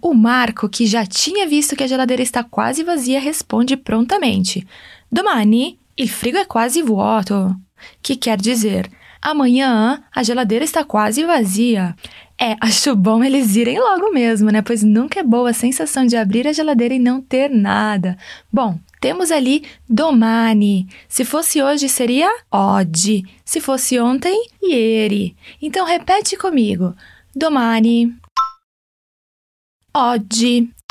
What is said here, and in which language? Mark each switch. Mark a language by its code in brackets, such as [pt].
[pt] O Marco, que já tinha visto que a geladeira está quase vazia, responde prontamente. [it] Domani, il frigo è quasi vuoto. [pt] Que quer dizer? Amanhã, a geladeira está quase vazia. É, acho bom eles irem logo mesmo, né? Pois nunca é boa a sensação de abrir a geladeira e não ter nada. Bom, Temos ali domani. Se fosse hoje, seria oggi. Se fosse ontem, ieri. Então, repete comigo. Domani. Oggi.